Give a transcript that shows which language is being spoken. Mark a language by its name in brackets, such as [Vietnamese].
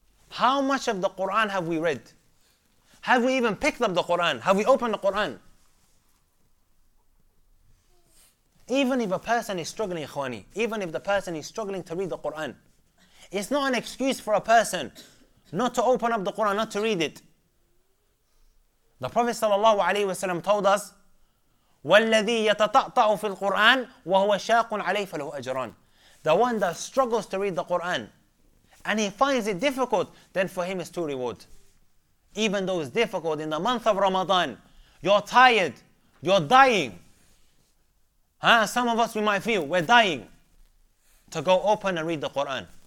[English] How much of the Quran have we read? Have we even picked up the Qur'an? Have we opened the Qur'an? Even if a person is struggling, Ikhwani, even if the person is struggling to read the Qur'an, it's not an excuse for a person not to open up the Qur'an, not to read it. The Prophet sallallahu alaihi wasallam told us, [Arabic] وَالَّذِي يَتَطَعْطَعُ فِي الْقُرْآنِ وَهُوَ شَاقٌ عَلَيْهِ فَلَهُ أَجْرَانِ. [English] The one that struggles to read the Qur'an and he finds it difficult, then for him is two rewards. Even though it's difficult in the month of Ramadan, you're tired, you're dying. Huh? Some of us, we might feel, we're dying to go open and read the Quran.